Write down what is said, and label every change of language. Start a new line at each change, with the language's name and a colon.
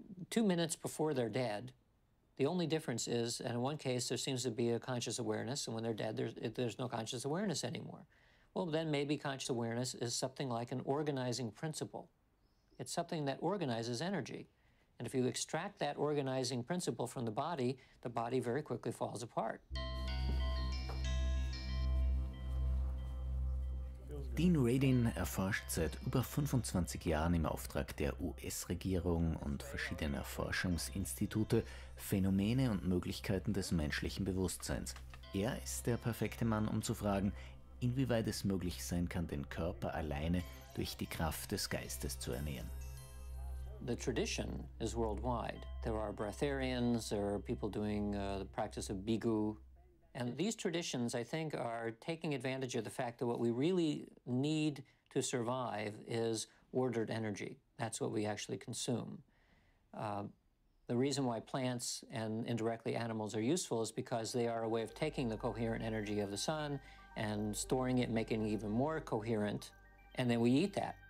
English: Two minutes before they're dead, the only difference is, and in one case, there seems to be a conscious awareness, and when they're dead, there's no conscious awareness anymore. Well, then maybe conscious awareness is something like an organizing principle. It's something that organizes energy. And if you extract that organizing principle from the body very quickly falls apart.
German: Dean Radin erforscht seit über 25 Jahren im Auftrag der US-Regierung und verschiedener Forschungsinstitute Phänomene und Möglichkeiten des menschlichen Bewusstseins. Er ist der perfekte Mann, um zu fragen, inwieweit es möglich sein kann, den Körper alleine durch die Kraft des Geistes zu ernähren.
English: The tradition is worldwide. There are breatharians, there are people doing the practice of Bigu. And these traditions, I think, are taking advantage of the fact that what we really need to survive is ordered energy. That's what we actually consume. The reason why plants and indirectly animals are useful is because they are a way of taking the coherent energy of the sun and storing it, making it even more coherent, and then we eat that.